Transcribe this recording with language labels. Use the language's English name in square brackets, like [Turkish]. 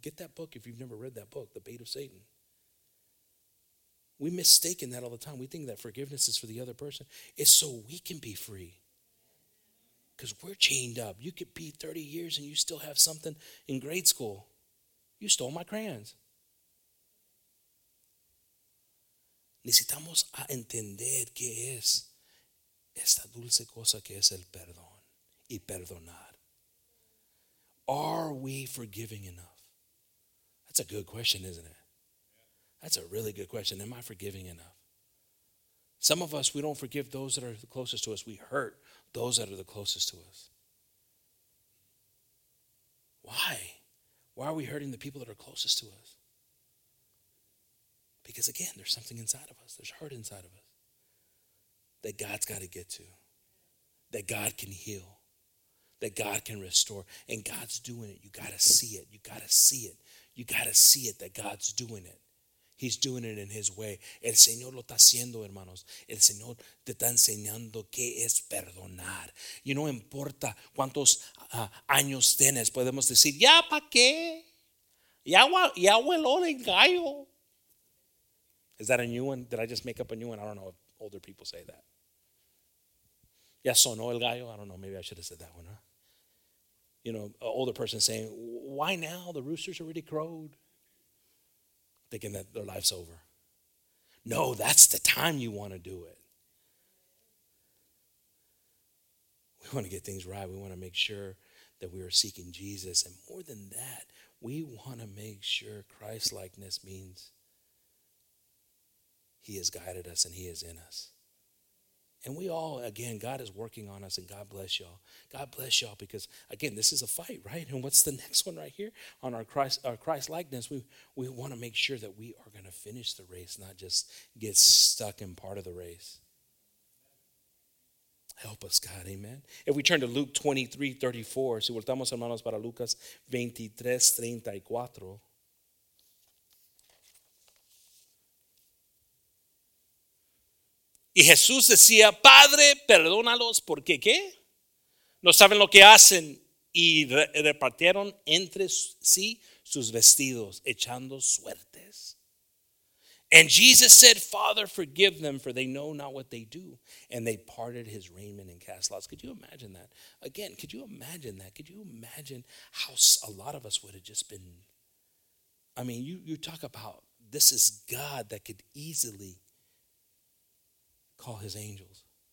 [English] Get that book if you've never read that book, The Bait of Satan. We mistaken that all the time. We think that forgiveness is for the other person. It's so we can be free. Because we're chained up. You could be 30 years and you still have something in grade school. You stole my crayons. [Spanish] Necesitamos a entender qué es esta dulce cosa que es el perdón y perdonar. [English] Are we forgiving enough? That's a good question, isn't it? That's a really good question. Am I forgiving enough? Some of us, we don't forgive those that are the closest to us. We hurt those that are the closest to us. Why? Why are we hurting the people that are closest to us? Because again, there's something inside of us. There's hurt inside of us that God's got to get to, that God can heal, that God can restore, and God's doing it. You got to see it. You got to see it. You got to see it that God's doing it. He's doing it in his way. [Spanish] El Señor lo está haciendo, hermanos. El Señor te está enseñando qué es perdonar. Y no importa cuántos años tienes, podemos decir, ya pa' qué. Ya vuelo el gallo. [English] Is that a new one? Did I just make up a new one? I don't know if older people say that. [Spanish] Ya sonó el gallo. [English] I don't know. Maybe I should have said that one, huh? You know, an older person saying, why now? The rooster's already crowed. Thinking that their life's over. No, that's the time you want to do it. We want to get things right. We want to make sure that we are seeking Jesus. And more than that, we want to make sure Christ-likeness means he has guided us and he is in us. And we all, again, God is working on us, and God bless y'all. God bless y'all because, again, this is a fight, right? And what's the next one right here on our Christ-likeness? We want to make sure that we are going to finish the race, not just get stuck in part of the race. Help us, God, amen. If we turn to Luke 23, 34, [Spanish] si voltamos, hermanos, para Lucas 23, 34, y Jesús decía, Padre, perdónalos, porque ¿qué? No saben lo que hacen. Y repartieron entre sí sus vestidos, echando suertes. [English] And Jesus said, Father, forgive them, for they know not what they do. And they parted his raiment and cast lots. Could you imagine that? Again, could you imagine that? Could you imagine how a lot of us would have just been? I mean, you talk about this is God that could easily call his angels.